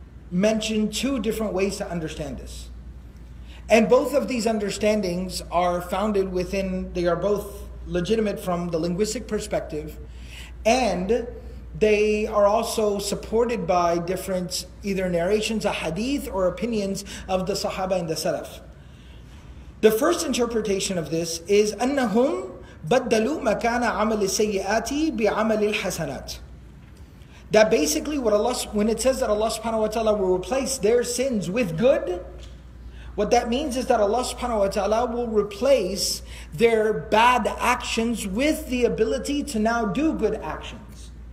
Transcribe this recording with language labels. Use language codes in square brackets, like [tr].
[en] mentioned two different ways to understand this. And both of these understandings are founded within, they are both legitimate from the linguistic perspective, and they are also supported by different either narrations of hadith or opinions of the Sahaba and the Salaf. The first interpretation of this is [ar] أنهم بدلوا مكان عمل السيئات بعمل الحسنات. [en] That basically what Allah, when it says that Allah subhanahu wa ta'ala will replace their sins with good, what that means is that Allah subhanahu wa ta'ala will replace their bad actions with the ability to now do good actions.